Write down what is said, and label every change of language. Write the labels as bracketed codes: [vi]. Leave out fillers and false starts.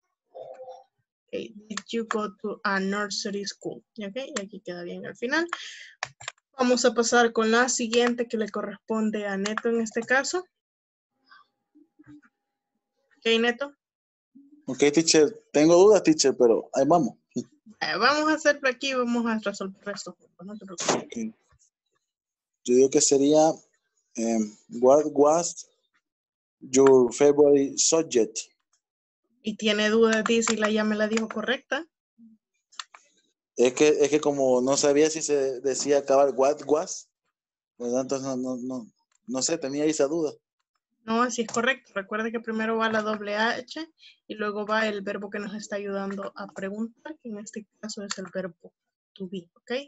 [en] Ok, did you go to a nursery school? [es] Ok, y aquí queda bien al final. Vamos a pasar con la siguiente que le corresponde a Neto en este caso. Ok, Neto. Ok, teacher. Tengo dudas, teacher, pero ahí vamos. Vamos a hacerlo aquí y vamos a resolver esto. No te preocupes. Okay. Yo digo que sería, [en] what was your favorite subject? [es] Y tiene dudas, dice, y la ya me la dijo correcta. Es que como no sabía si se decía acabar what was, ¿verdad? Entonces no sé, tenía esa duda. No, así es correcto. Recuerde que primero va la doble H y luego va el verbo que nos está ayudando a preguntar, que en este caso es el verbo to be, ¿ok?